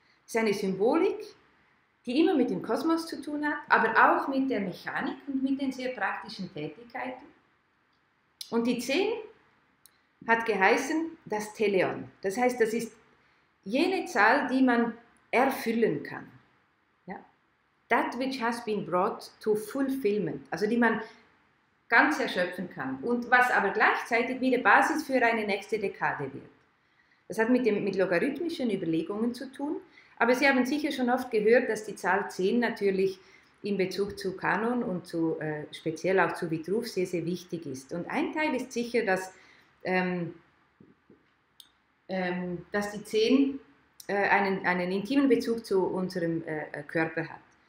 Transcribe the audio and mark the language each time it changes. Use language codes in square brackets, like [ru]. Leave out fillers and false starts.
[de] Es ist eine Symbolik, die immer mit dem Kosmos zu tun hat, aber auch mit der Mechanik und mit den sehr praktischen Tätigkeiten. Und die 10 hat geheißen das Teleon. Das heißt, das ist jene Zahl, die man erfüllen kann. Ja? [en] That which has been brought to fulfillment, [de] also die man ganz erschöpfen kann. Und was aber gleichzeitig wieder Basis für eine nächste Dekade wird. Das hat mit logarithmischen Überlegungen zu tun. Aber Sie haben sicher schon oft gehört, dass die Zahl 10 natürlich in Bezug zu Kanon und zu, speziell auch zu Vitruv sehr, sehr wichtig ist. Und ein Teil ist sicher, dass die 10 einen intimen Bezug zu unserem Körper hat.